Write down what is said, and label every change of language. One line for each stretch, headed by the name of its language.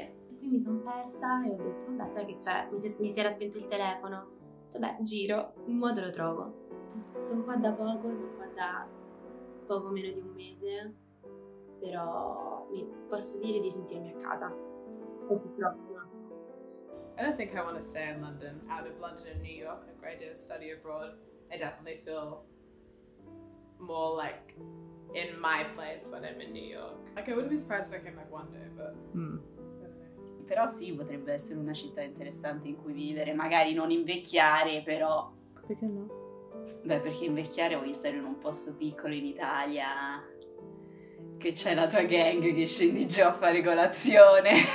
Italian: E qui mi sono persa e ho detto, vabbè, sai che c'è? Mi si era spento il telefono. Vabbè, giro, in modo lo trovo. Sono qua da poco, sono qua da poco meno di un mese. Però posso dire di sentirmi a casa.
English: I don't think I want to stay in London. Out of London and New York, a great idea to study abroad. I definitely feel more like in my place when I'm in New York. Like I wouldn't be surprised if I came back one day, but
Italian: Però sì, potrebbe essere una città interessante in cui vivere, magari non invecchiare, però. Perché no? Beh, perché invecchiare vuoi stare in un posto piccolo in Italia. Che c'è la tua gang che scendi giù a fare colazione.